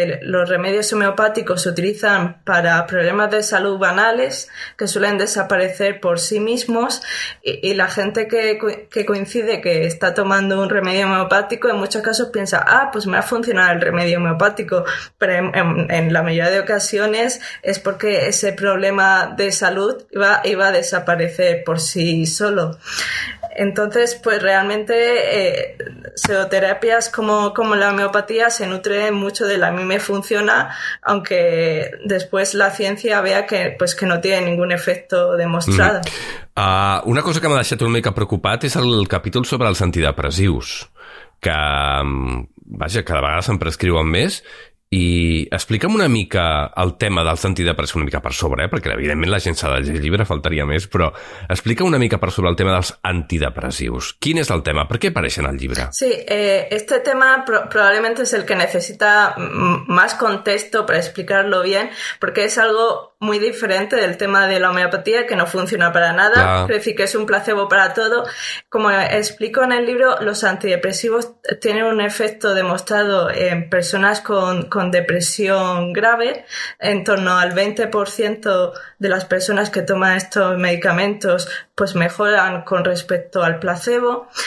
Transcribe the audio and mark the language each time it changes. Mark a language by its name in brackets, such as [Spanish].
[Spanish] los remedios homeopáticos se utilizan para problemas de salud banales que suelen desaparecer por sí mismos, y la gente que coincide que está tomando un remedio homeopático en muchos casos piensa, ah, pues me ha funcionado el remedio homeopático, pero en la mayoría de ocasiones es porque ese problema de salud iba a desaparecer por sí solo. Entonces, pues realmente pseudoterapias como la homeopatía se nutren mucho de la a mí me funciona, aunque después la ciencia vea que no tiene ningún efecto demostrado. [Catalan] Una cosa que m'ha deixat una mica preocupat és el capítol sobre els antidepressius, que, vaja, cada vegada se'n prescriuen més. I explica'm una mica el tema dels antidepressius, una mica per sobre, perquè evidentment la gent s'ha de llegir el llibre, faltaria més, però explica una mica per sobre el tema dels antidepressius. Quin és el tema? Per què apareixen al llibre? [Spanish] Sí, este tema probablemente es el que necesita más contexto para explicarlo bien, porque es algo muy diferente del tema de la homeopatía, que no funciona para nada, quiero decir que es un placebo para todo. Como explico en el libro, los antidepresivos tienen un efecto demostrado en personas con depresión grave, en torno al 20% de las personas que toman estos medicamentos pues mejoran con respecto al placebo.